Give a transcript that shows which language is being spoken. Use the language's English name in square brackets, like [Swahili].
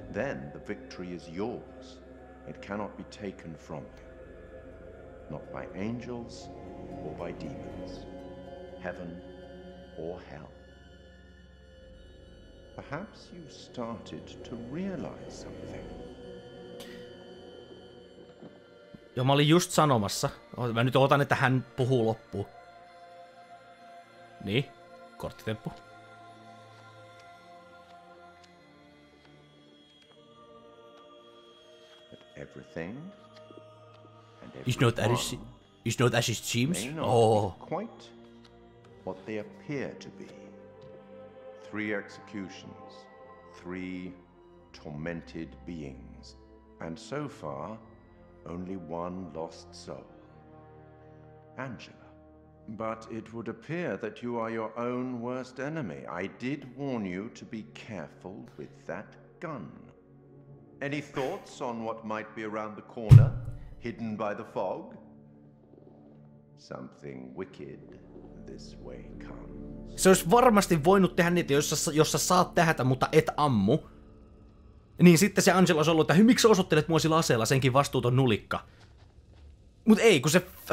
[English] Then the victory is yours. It cannot be taken from you. Not by angels or by demons, heaven or hell. Perhaps you started to realize something. [Finnish] Joo, mä olin just sanomassa. Mä nyt odotan, että hän puhuu loppuun. Niin, korttitemppu. [English] But everything and everyone... You know what that is? You know that just seems quite what they appear to be. Three executions, three tormented beings, and so far only one lost soul, Angela. But it would appear that you are your own worst enemy. I did warn you to be careful with that gun. Any thoughts on what might be around the corner, hidden by the fog? Something wicked this way comes. [Finnish] Se olisi varmasti voinut tehdä niitä, jossa saat tähätä, mutta et ammu. Niin sitten se Angela olisi ollut, että miksi osoittelet mua sillä aseella, senkin vastuuton nulikka. Mut ei, kun se...